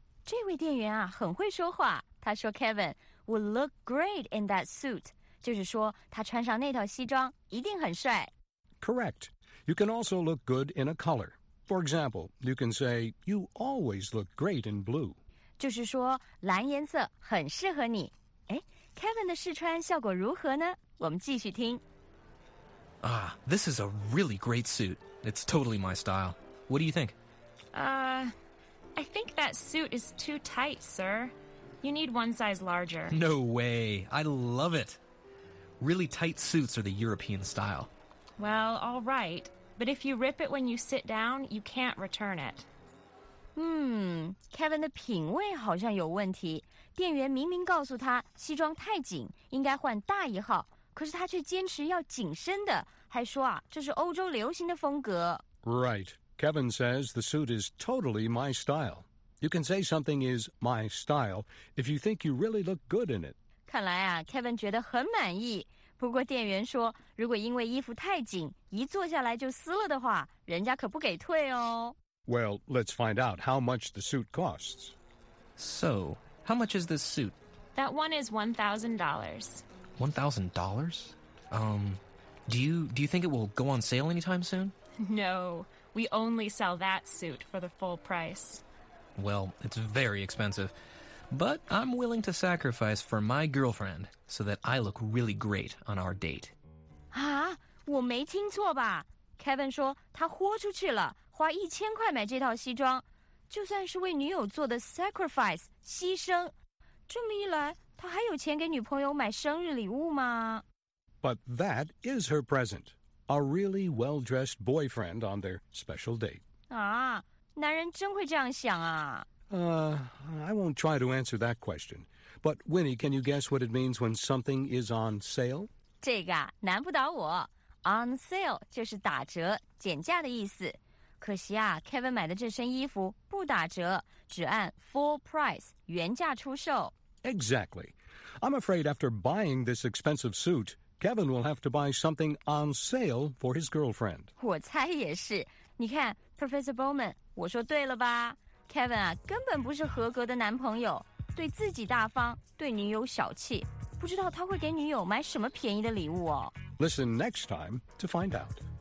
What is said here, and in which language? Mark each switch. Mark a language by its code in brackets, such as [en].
[zh] 这位店员啊，很会说话。他说 Kevin... [en] Would look great in that suit. [zh] 就是说他穿上那套西装一定很帅。 [en] Correct. You can also look good in a color. For example, you can say, you always look great in blue. [zh] 就是说蓝颜色很适合你。哎 ,Kevin 的试穿效果如何呢？我们继续听。 [en] Ah, this is a really great suit. It's totally my style. What do you think? I think that suit is too tight, sir. You need one size larger. No way. I love it. Really tight suits are the European style. Well, all right. But if you rip it when you sit down, you can't return it. [zh] Kevin 的品味好像有问题。店员明明告诉他西装太紧，应该换大一号，可是他却坚持要紧身的，还说啊，这是欧洲流行的风格。 [en] Right. Kevin says the suit is totally my style. You can say something is my style if you think you really look good in it. [zh] 看来啊 ,Kevin 觉得很满意。不过店员说如果因为衣服太紧一坐下来就撕了的话人家可不给退哦。 [en] Well, let's find out how much the suit costs. So, how much is this suit? That one is $1,000. $1,000? Do you think it will go on sale anytime soon? No, we only sell that suit for the full price. Well, it's very expensive. But I'm willing to sacrifice for my girlfriend so that I look really great on our date. [zh] 啊，我没听错吧 ？Kevin 说他豁出去了，花1000块买这套西装，就算是为女友做的 sacrifice 牺牲。这么一来，他还有钱给女朋友买生日礼物吗 [en] ？But that is her present, a really well-dressed boyfriend on their special date. [zh] 啊。男人真会这样想啊。 [en] I won't try to answer that question. But Winnie, can you guess what it means when something is on sale? [zh] 这个啊，难不倒我。On sale 就是打折、减价的意思。可惜啊 ，Kevin 买的这身衣服不打折，只按 full price 原价出售。 [en] Exactly. I'm afraid after buying this expensive suit, Kevin will have to buy something on sale for his girlfriend. [zh] 我猜也是。你看 ，Professor Bowman。我说对了吧 ，Kevin 啊，根本不是合格的男朋友，对自己大方，对女友小气，不知道他会给女友买什么便宜的礼物哦。 [en] Listen next time to find out。